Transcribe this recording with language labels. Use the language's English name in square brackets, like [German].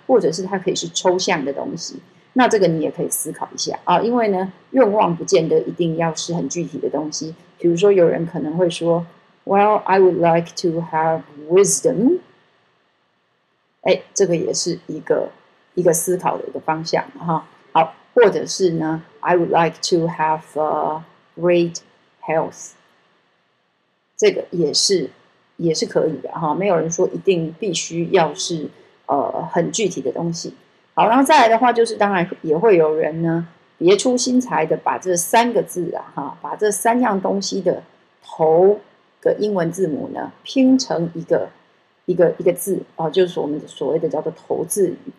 [Chinese] 或者是它可以是抽象的东西？那这个你也可以思考一下啊，因为呢，愿望不见得一定要是很具体的东西。比如说，有人可能会说 [English] ，Well, I would like to have wisdom。 [Chinese] 哎，这个也是一个思考的一个方向哈。好，或者是呢 [English] ，I would like to have great health。 [Chinese] 这个也是可以的哈，没有人说一定必须要是很具体的东西。好，然后再来的话，就是当然也会有人呢别出心裁的把这三个字啊，哈，把这三样东西的头的英文字母呢拼成一个字啊，就是我们所谓的叫做头字语。